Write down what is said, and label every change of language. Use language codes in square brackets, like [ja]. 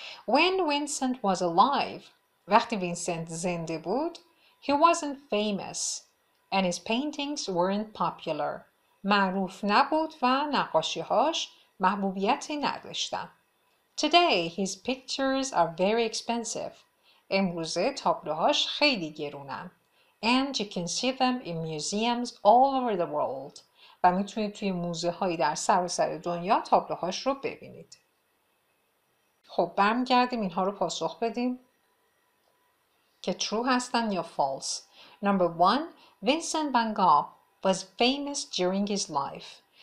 [en] When Vincent was alive [fa] وقتی وینسنت زنده بود [en] he wasn't famous and his paintings weren't popular. [fa] معروف نبود و نقاشی‌هاش محبوبیتی نداشتن. [en] Today his pictures are very expensive. [fa] امروزه تابلوهاش خیلی گرونن. [en] And you can see them in museums all over the world. [fa] و میتونید توی موزه هایی در سراسر دنیا تابلوهاش رو ببینید. خب برمیگردیم اینها رو پاسخ بدیم که true هستن یا false. [en] Number one, Vincent van Gogh was famous during his life.